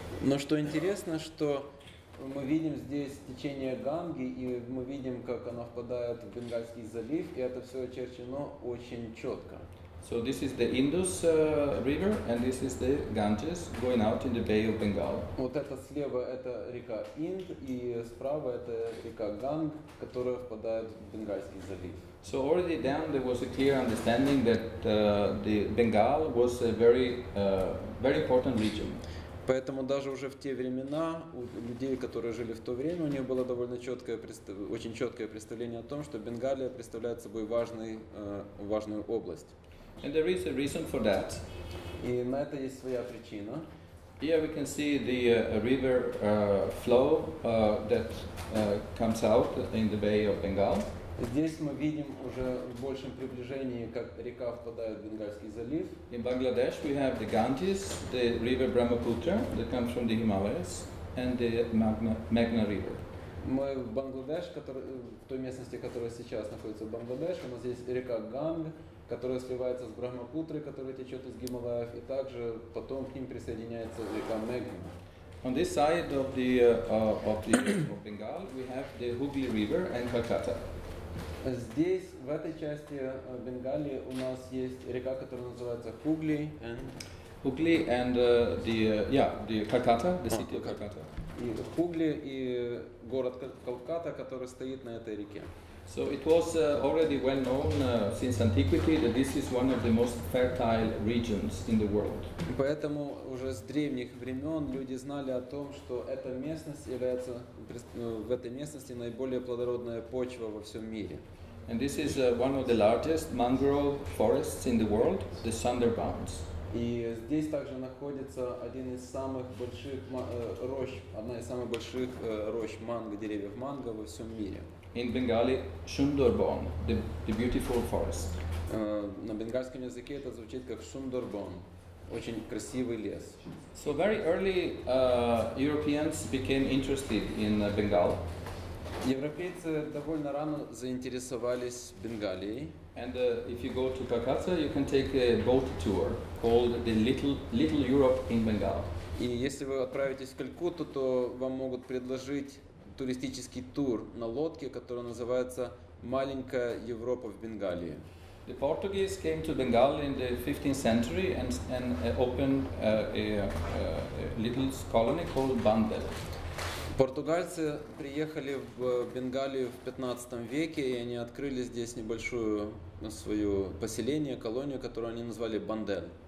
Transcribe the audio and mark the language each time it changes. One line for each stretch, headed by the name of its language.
Russian: Но что интересно, что мы видим здесь течение Ганги, и мы видим, как она впадает в Бенгальский залив, и это все очерчено очень четко.
English: So this is the Indus river, and this is the Ganges going out in the Bay of Bengal.
Russian: Вот это слева это река Инд, и справа это река Ганг, которая впадает в Бенгальский залив.
English: So already then there was a clear understanding that the Bengal was a very, very important region.
Russian: Поэтому даже уже в те времена у людей, которые жили в то время, у них было довольно четкое, очень четкое представление о том, что Бенгалия представляет собой важную область.
English: And there is a reason for that.
Russian: И на это есть своя причина.
English: Here we can see the river flow that comes out in the Bay of Bengal.
Russian: Здесь мы видим уже в большем приближении, как река впадает в Бенгальский залив.
English: In Bangladesh we have the Ganges, the river Brahmaputra that comes from the Himalayas, and the Meghna River.
Russian: Мы в Бангладеш, в той местности, которая сейчас находится в Бангладеш, у нас есть река Ганг, которая сливается с Брахмапутрой, которая течет из Гималаев, и также потом к ним присоединяется река Мегна.
English: On this side of the of Bengal we have the Hooghly River and Calcutta.
Russian: Здесь в этой части Бенгалии у нас есть река, которая называется Хугли.
English: Hooghly and the Calcutta, the city of Calcutta.
Russian: И Хугли и город Калката, который стоит на этой реке.
English: So it was already well known since antiquity that this is one of the most fertile regions in the world.
Russian: Поэтому уже с древних времен люди знали о том, что эта местность является в этой местности наиболее плодородная почва во всем мире.
English: And this is one of the largest mangrove forests in the world, the Sundarbans.
Russian: И здесь также находится один из самых больших рощ, одна из самых больших рощ манго, деревьев манго во всем мире.
English: In Bengali, Sundarban, the beautiful forest.
Russian: На бенгальском языке это звучит как Sundarban, очень красивый лес.
English: So very early Europeans became interested in Bengal.
Russian: Европейцы довольно рано заинтересовались Бенгалией.
English: And if you go to Calcutta, you can take a boat tour called the Little Europe in Bengal.
Russian: И если вы отправитесь в Калькутту, то вам могут предложить туристический тур на лодке, который называется «Маленькая Европа в Бенгалии».
English: The Portuguese came to Bengal in the 15th century and opened a little colony called Bandel.
Russian: Португальцы приехали в Бенгалию в 15 веке, и они открыли здесь небольшую свою поселение, колонию, которую они назвали Бандел.